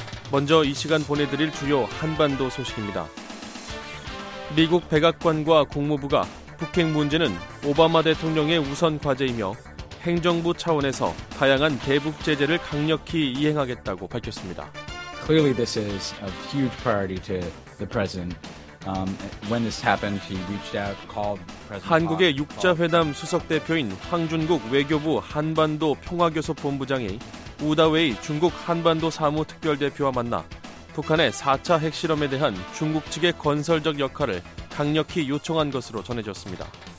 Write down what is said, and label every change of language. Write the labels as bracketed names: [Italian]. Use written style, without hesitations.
[Korean] 먼저 이 시간 보내드릴 주요 한반도 소식입니다. 미국 백악관과 국무부가 북핵 문제는 오바마 대통령의 우선 과제이며 행정부 차원에서 다양한 대북 제재를 강력히 이행하겠다고 밝혔습니다. [English] Clearly this is a huge priority to the president. When this happened, he reached out, called President. [Korean] 한국의 육자회담 수석 대표인 황준국 외교부 한반도 평화교섭 본부장이 우다웨이 중국 한반도 사무 특별 대표와 만나 북한의 4차 핵실험에 대한 중국 측의 건설적 역할을 강력히 요청한 것으로 전해졌습니다.